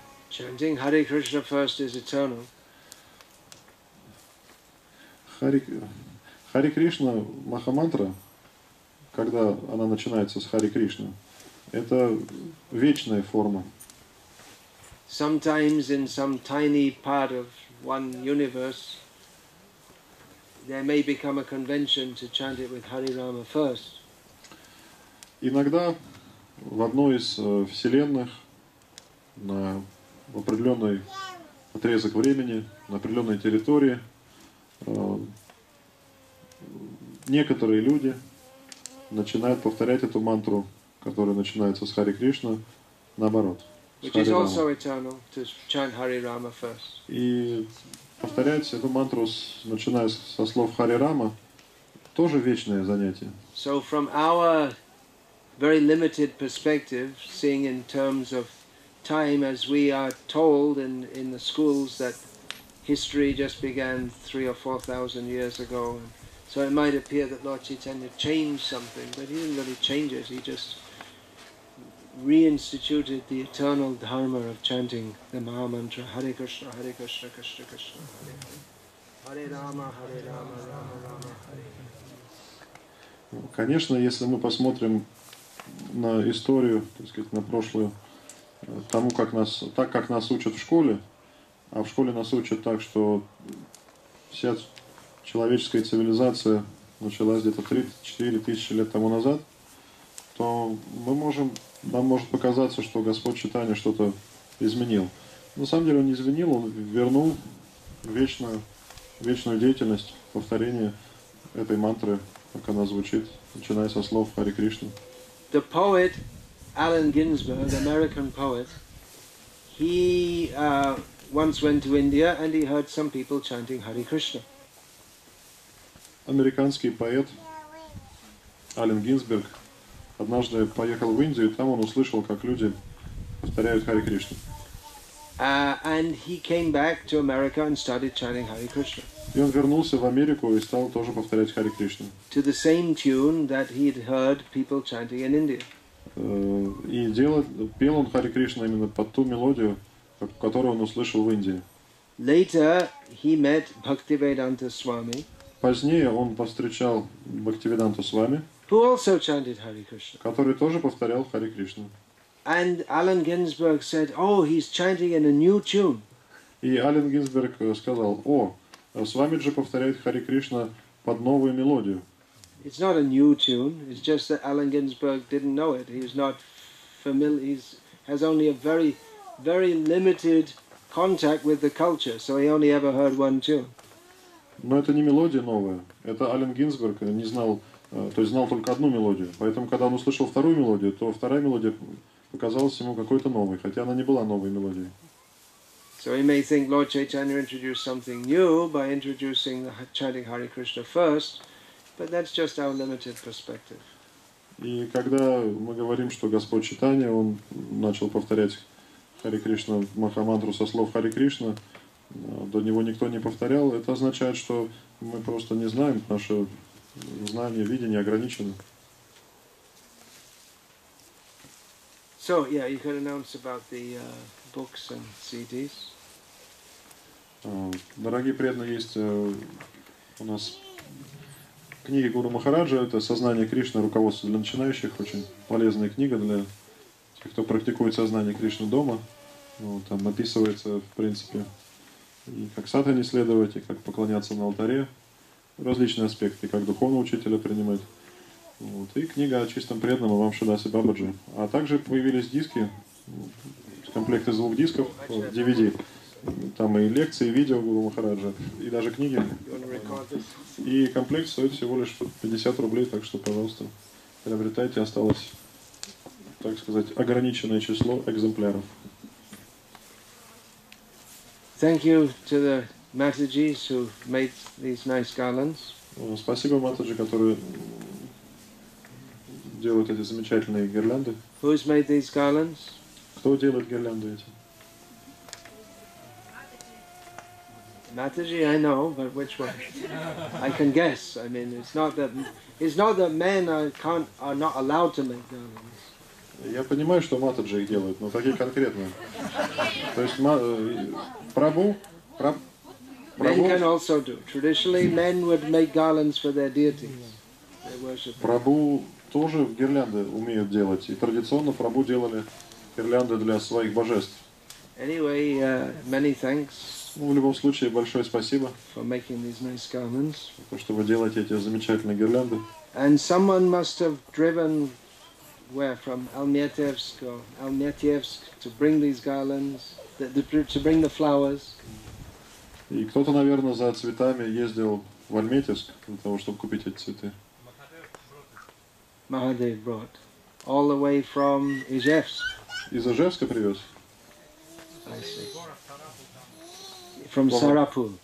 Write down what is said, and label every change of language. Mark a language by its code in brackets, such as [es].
[en] Chanting Hare Krishna first is eternal. [ru] Хари Кришна Махамантра, когда она начинается с Хари Кришны, это вечная форма. [en] sometimes in some tiny part of one universe, there may become a convention to chant it with Hari Rama first. [ru] Иногда в одной из вселенных на определенный отрезок времени, на определенной территории некоторые люди начинают повторять эту мантру, которая начинается с Хари Кришна, наоборот. [en] Which is also eternal, to chant Hari Rama first. [ru] И повторять эту мантру, начиная со слов Хари Рама, тоже вечное занятие. [en] So from our very limited perspective, seeing in terms of time, as we are told in the schools that history just began 3,000 or 4,000 years ago. So it might appear that Lord Chaitanya changed something, but he didn't really change it. He just reinstituted the eternal dharma of chanting the Maha Mantra, Hare Krishna, Hare Krishna, Krishna Krishna, Hare Krishna, Hare Rama, Hare Rama, Rama Rama, Rama Hare. [ru] Конечно, если мы посмотрим на историю, так сказать, на прошлую, тому, как нас, так, как нас учат в школе, а в школе нас учат так, что вся человеческая цивилизация началась где-то 3-4 тысячи лет тому назад, то мы можем, нам может показаться, что Господь Чайтанья что-то изменил. На самом деле он не изменил, он вернул вечную деятельность повторения этой мантры, как она звучит, начиная со слов Хари Кришна. [en] The poet Allen Ginsberg, an American poet, he once went to India and he heard some people chanting Hare Krishna. [ru] Американский поэт Аллен Гинзберг однажды поехал в Индию, и там он услышал, как люди повторяют Хари Кришну. [en] And he came back to America and started chanting Hare Krishna. [ru] И он вернулся в Америку и стал тоже повторять Хари Кришну. [en] To the same tune that he'd heard people chanting in India. [ru] И пел он Хари Кришну именно под ту мелодию, которую он услышал в Индии. [en] Later he met Bhaktivedanta Swami. [ru] Позднее он повстречал Бхактивиданту Свами, который тоже повторял Хари Кришну. [en] And Allen Ginsberg said, "Oh, he's chanting in a new tune." [ru] И Аллен Гинзберг сказал: "О, Свами же повторяет Хари Кришна под новую мелодию." [en] It's not a new tune. It's just that Allen Ginsberg didn't know it. He's not familiar. He has only a very, very limited contact with the culture, so he only ever heard one tune. [ru] Но это не мелодия новая. Это Аллен Гинзберг не знал, то есть знал только одну мелодию. Поэтому, когда он услышал вторую мелодию, то вторая мелодия показалась ему какой-то новой, хотя она не была новой мелодией. [en] So you may think Lord Chaitanya introduced something new by introducing chanting Hare Krishna first, but that's just our limited perspective. [ru] И когда мы говорим, что Господь Чайтанья, он начал повторять Хари Кришна Махамантру со слов Хари Кришна, до него никто не повторял, это означает, что мы просто не знаем, наше знание, видение ограничено. [en] So, yeah, you could announce about the books and CDs. [ru] Дорогие преданные, есть у нас книги Гуру Махараджа, это «Сознание Кришны. Руководство для начинающих». Очень полезная книга для тех, кто практикует сознание Кришны дома. Ну, там описывается, в принципе, и как садхане следовать, и как поклоняться на алтаре, различные аспекты, как духовного учителя принимать. Вот. И книга о чистом преданном вам Шидаси Бабаджи. А также появились диски, комплекты звук дисков, DVD. Там и лекции, и видео Гуру Махараджа, и даже книги. И комплект стоит всего лишь 50 рублей, так что, пожалуйста, приобретайте. Осталось, так сказать, ограниченное число экземпляров. [en] Thank you to the Matajis who made these nice garlands. [ru] Спасибо Матаджи, которые делают эти замечательные гирлянды. [en] Who's made these garlands? [ru] Кто делает гирлянды эти? [en] Matajis, I know, but which one? I can guess. I mean, it's not that men are not allowed to make garlands. [ru] Я понимаю, что Матаджи их делают, но какие конкретно? То есть Прабху? [en] Men can also do. Traditionally, men would make garlands for their deities. They worship. [ru] Прабху тоже гирлянды умеют делать, и традиционно Прабху делали гирлянды для своих божеств. [en] Anyway, many thanks. [ru] Ну, в любом случае, большое спасибо. [en] For making these nice garlands. [ru] За то, что вы делаете эти замечательные гирлянды. [en] And someone must have driven where from Almetyevsk or Almetyevsk to bring these garlands, to bring the flowers. [ru] И кто-то, наверное, за цветами ездил в Альметьевск для того, чтобы купить эти цветы. [en] Mahadev brought all the way from Ижевск. [ru] Из Ижевска привез. [en] I see. From Сарапул.